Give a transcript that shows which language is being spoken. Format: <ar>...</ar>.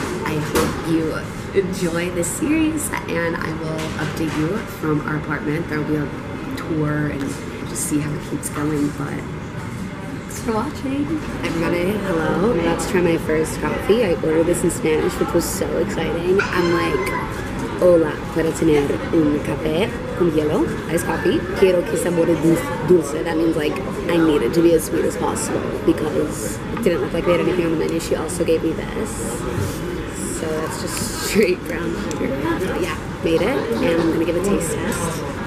<en>I hope you enjoy this series, and I will update you from our apartment. There will be a tour and just see how it keeps going, but for watching. Everybody, hello. I'm about to try my first coffee. I ordered this in Spanish, which was so exciting.</en> <es>I'm like, hola, ¿puedo tener un café con hielo? Iced coffee. Quiero que sabore dulce.</es> <en>That means, like, I need it to be as sweet as possible because it didn't look like they had anything on the menu. She also gave me this. So that's just straight brown sugar. But yeah, made it, and I'm gonna give a taste test.</en>